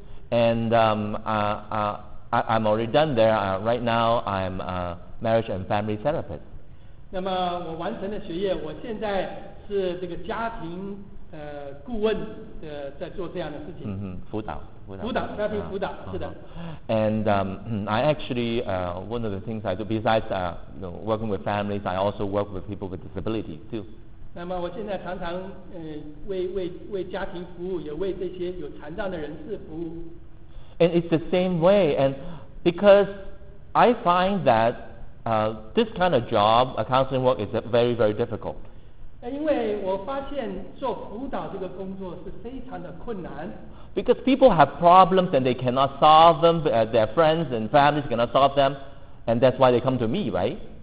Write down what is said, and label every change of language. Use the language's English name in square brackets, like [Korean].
[English] And I'm already done there. Right now, I'm a marriage and family therapist. [Chinese] 那么我完成了学业，我现在是这个家庭顾问的，在做这样的事情。辅导，家庭辅导，是的。 [English] And I actually one of the things I do besides working with families, I also work with people with disabilities too. [Chinese] 那么我现在常常为家庭服务，也为这些有残障的人士服务。 [English] And it's the same way, and because I find that this kind of job, a counseling work, is very, very difficult. Because people have problems and they cannot solve them, their friends and families cannot solve them, and that's why they come to me, right?